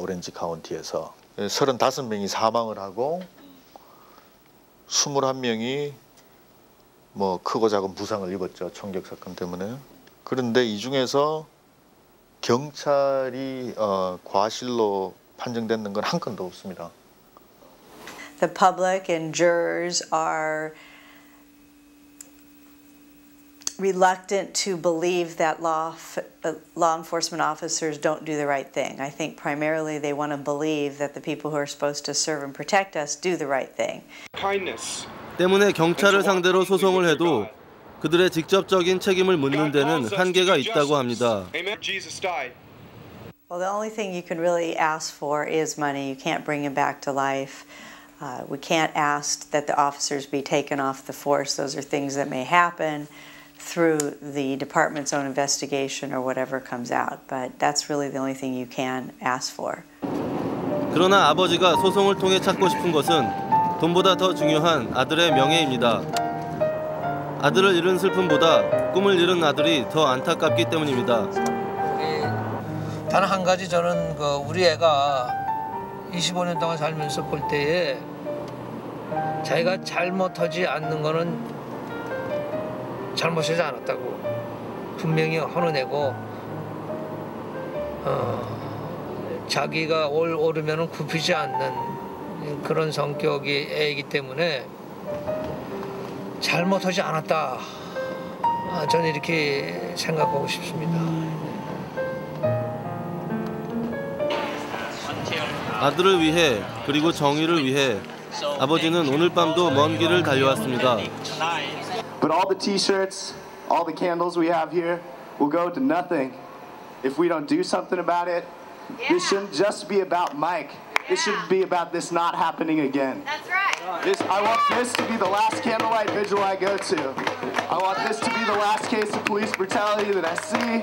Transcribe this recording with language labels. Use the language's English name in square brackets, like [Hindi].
[Korean] 오렌지 카운티에서. 35명이 사망을 하고 21명이 뭐 크고 작은 부상을 입었죠. 총격 사건 때문에. 그런데 이 중에서 경찰이 과실로 판정됐는 건 한 건도 없습니다. [English] The public and jurors are reluctant to believe that law enforcement officers don't do the right thing. I think primarily they want to believe that the people who are supposed to serve and protect us do the right thing. Kindness. [Korean] 때문에 경찰을 상대로 소송을 해도 그들의 직접적인 책임을 묻는 데는 한계가 있다고 합니다. [English] Well, the only thing you can really ask for is money. You can't bring him back to life. We can't ask that the officers be taken off the force. Those are things that may happen through the department's own investigation or whatever comes out. But that's really the only thing you can ask for. [Korean] 그러나 아버지가 소송을 통해 찾고 싶은 것은 돈보다 더 중요한 아들의 명예입니다. 아들을 잃은 슬픔보다 꿈을 잃은 아들이 더 안타깝기 때문입니다. 단 한 가지 저는 그 우리 애가 25년 동안 살면서 볼 때에 자기가 잘못하지 않는 거는 잘못하지 않았다고 분명히 허는애고 자기가 옳 옳으면은 굽히지 않는 그런 성격이 애이기 때문에 잘못하지 않았다. 저는 이렇게 생각하고 싶습니다. 아들을 위해 그리고 정의를 위해 아버지는 오늘 밤도 먼 길을 달려왔습니다. [English] But all the t-shirts, all the candles we have here will go to nothing if we don't do something about it. This shouldn't just be about Mike. This should be about this not happening again. That's right. I want this to be the last candlelight vigil I go to. I want this to be the last case of police brutality that I see.